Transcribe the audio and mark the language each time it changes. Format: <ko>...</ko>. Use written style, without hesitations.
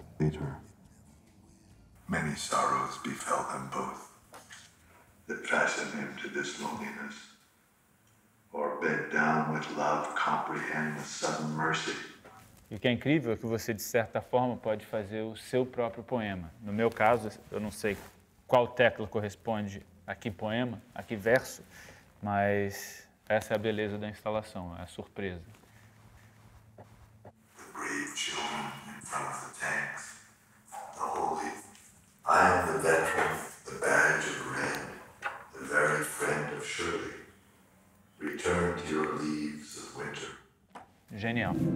<en>Later, many sorrows befell them both that fasten him to this loneliness, or bed down with love comprehend with sudden mercy.</en> <pt>E o que é incrível é que você, de certa forma, pode fazer o seu próprio poema. No meu caso, eu não sei qual tecla corresponde a que poema, a que verso, mas essa é a beleza da instalação, é a surpresa.</pt> <en>The brave children in front of the tanks, the holy. I am the veteran, the badge of red, the very friend of Shirley. Return to your leaves of winter.</en> <pt>Genial.</pt>